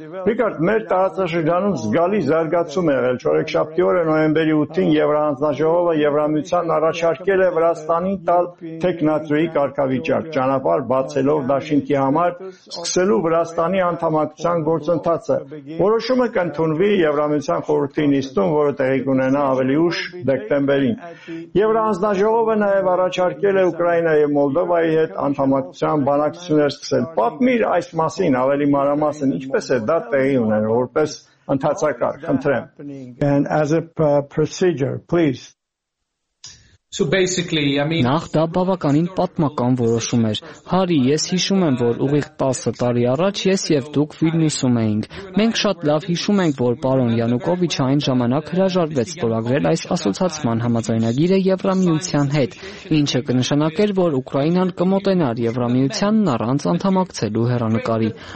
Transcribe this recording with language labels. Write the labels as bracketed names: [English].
[Armenian] Ռիկարդ, մեր տարածաշրջանում զգալի զարգացում է եղել։ Չորեքշաբթի օրը նոյեմբերի 8-ին Եվրանձնաժողովը Եվրամիության առաջարկել է Վրաստանին տալ թեկնածուի կարգավիճակ, ճանապարհ բացելով Դաշինքի համար սկսելու Վրաստանի անդամակցության գործընթացը։ Որոշումը կընդունվի Եվրամիության խորհրդի նիստում, որը տեղի կունենա ավելի ուշ դեկտեմբերին։ Եվրանձնաժողովը նաև առաջարկել է Ուկրաինայի և Մոլդովայի հետ անդամակցության բանակցություններ սկսել։ Պատմիր այս մասին ավելի մանրամասն, ինչպես է դա տեղի ունենում, որպես ընթացակարգ, խնդրեմ։ [English] And as a procedure, please. So basically, [Armenian] Նախ դա բավականին պատմական որոշում էր։ Հարի, ես հիշում եմ, որ ուղիղ 10 տարի առաջ ես եւ դուք Վիլնյուսում էինք։ Մենք շատ լավ հիշում ենք, որ պարոն Յանուկովիչ այն ժամանակ հրաժարվեց ստորագրել այս ասոցացման համաձայնագիրը Եվրամիության հետ, ինչը կնշանակեր, որ Ուկրաինան կմոտենար Եվրամիությանն առանց անդամակցելու հեռանկարի։